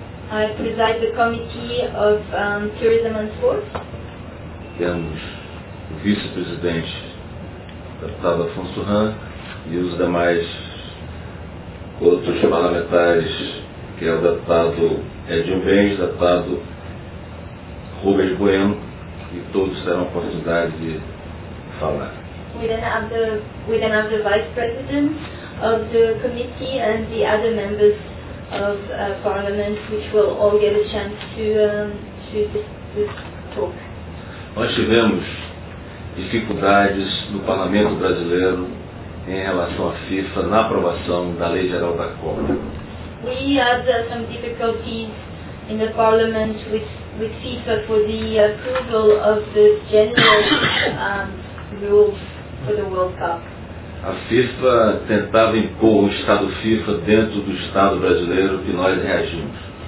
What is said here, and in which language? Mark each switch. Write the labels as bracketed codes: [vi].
[en] I preside the Committee of Tourism and Sport. [pt] Temos o vice-presidente, deputado Afonso Han, e os demais outros parlamentares que é o deputado Edinho Benz, deputado Rubens Bueno, e todos terão a oportunidade de falar. [en] We then have the vice president of the committee and the other members of parliament, which will all get a chance to talk. [pt] Nós tivemos dificuldades no parlamento brasileiro em relação à FIFA na aprovação da Lei Geral da Copa. [en] We had some difficulties in the parliament with FIFA for the approval of the general rules for the World Cup. [pt] A FIFA tentava impor o Estado FIFA dentro do Estado brasileiro que nós reagimos.